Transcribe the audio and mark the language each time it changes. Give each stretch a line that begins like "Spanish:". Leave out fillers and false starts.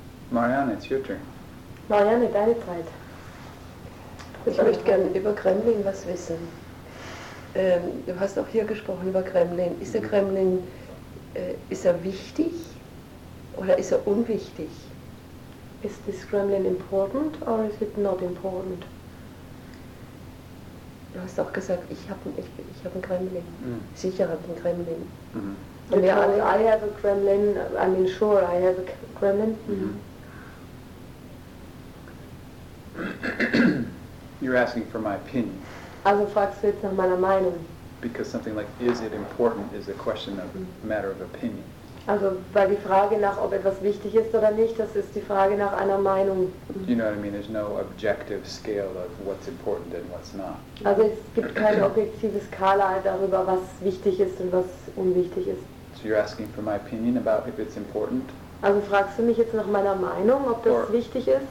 English: Marianne, it's your turn.
German: Marianne, deine Zeit. Ich möchte gerne über Kremlin was wissen. Du hast auch hier gesprochen über Kremlin. Ist der Kremlin, ist er wichtig oder ist er unwichtig?
English: Is this Kremlin important or is it not important?
German: Du hast auch gesagt, ich hab einen Kremlin. Mm. Sicher habe ich einen Kremlin. Mm-hmm. Wir alle,
English: I have a Kremlin, I mean sure, I have a Kremlin. Mm-hmm. You're asking for my opinion.
German: Also fragst du jetzt nach meiner Meinung.
English: Because something like, is it important, is a question of a matter of opinion.
German: Also, weil die Frage nach, ob etwas wichtig ist oder nicht, das ist die Frage nach einer Meinung.
English: You know what I mean? There's no objective scale of what's important and what's not.
German: Also es gibt keine objektive Skala darüber, was wichtig ist und was unwichtig ist.
English: So you're asking for my opinion about if it's important?
German: Also fragst du mich jetzt nach meiner Meinung, ob das wichtig ist?